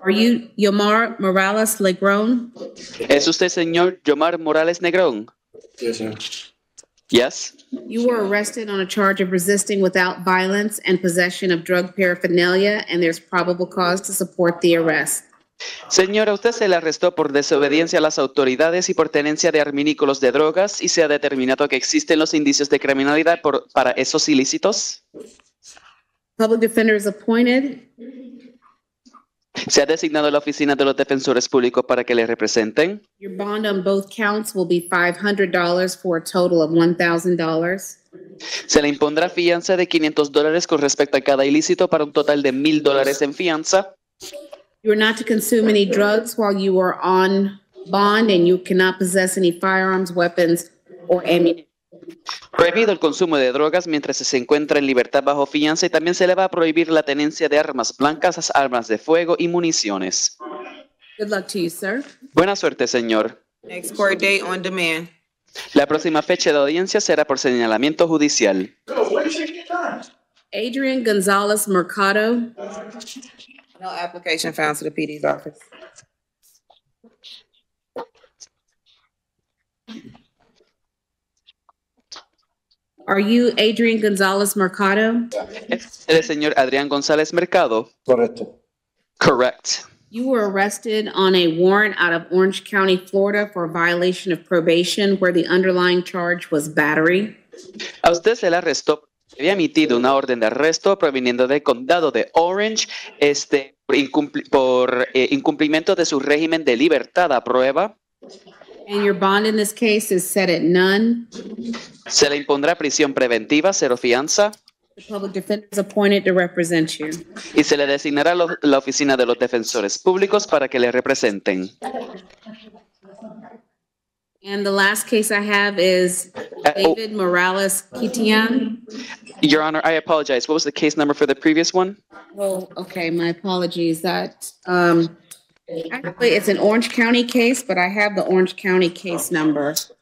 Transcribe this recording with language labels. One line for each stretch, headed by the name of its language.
English: Are you Yomar Morales Negron?
Spanish: ¿Es usted señor Yomar Morales Negron?
English: Yes, sir. Yes. You were arrested on a charge of resisting without violence and possession of drug paraphernalia, and there's probable cause to support the arrest.
Spanish: Señora, usted se le arrestó por desobediencia a las autoridades y por tenencia de arminículos de drogas y se ha determinado que existen los indicios de criminalidad para esos ilícitos.
English: Public defender is appointed.
Spanish: Se ha designado la oficina de los defensores públicos para que le representen.
English: Your bond on both counts will be $500 for a total of $1,000.
Spanish: Se le impondrá fianza de $500 con respecto a cada ilícito para un total de $1,000 en fianza.
English: You are not to consume any drugs while you are on bond, and you cannot possess any firearms, weapons, or ammunition.
Spanish: Prohibido el consumo de drogas mientras se encuentra en libertad bajo fianza, y también se le va a prohibir la tenencia de armas blancas, armas de fuego, y municiones.
English: Good luck to you, sir.
Spanish: Buena suerte, señor.
English: Next court date on demand.
Spanish: La próxima fecha de audiencia será por señalamiento judicial.
English: Adrian Gonzalez Mercado. No application found to the PD's office. Are you Adrian Gonzalez Mercado? Yes.
Spanish: El señor Adrián González Mercado. Correcto.
English: Correct. You were arrested on a warrant out of Orange County, Florida for a violation of probation where the underlying charge was battery.
Spanish: A usted se le arrestó. Había emitido una orden de arresto proviniendo del condado de Orange, incumplimiento de su régimen de libertad a prueba.
English: And your bond in this case is set at none.
Spanish: Se le impondrá prisión preventiva, cero fianza.
English: The public defender is appointed to represent you.
Spanish: Y se le designará la oficina de los defensores públicos para que le representen.
English: And the last case I have is David Morales Kitian. Your Honor, I apologize. What was the case number for the previous one? Oh, okay. My apologies. That actually, it's an Orange County case, but I have the Orange County case number.